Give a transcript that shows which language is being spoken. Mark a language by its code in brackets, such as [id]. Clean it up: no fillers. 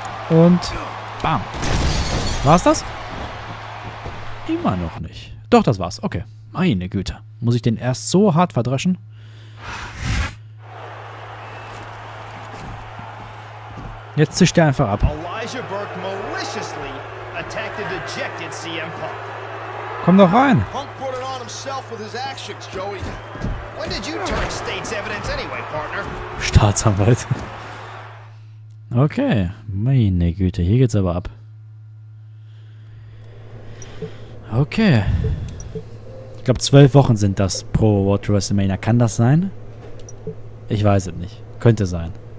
[de] Und bam. War's das? Immer noch nicht. Doch, das war's. Okay. Meine Güte. Muss ich den erst so hart verdreschen? Jetzt zischt er einfach ab. [en] Elijah Burke maliciously attacked and ejected CM Punk. [de] Komm doch rein. [en] Punk put it on himself with his actions, Joey. When did you turn state's evidence anyway, partner? [de] Staatsanwalt. Okay. Meine Güte, hier geht's aber ab. Okay. Ich glaube, 12 Wochen sind das pro World WrestleMania. Kann das sein? Ich weiß es nicht. Könnte sein.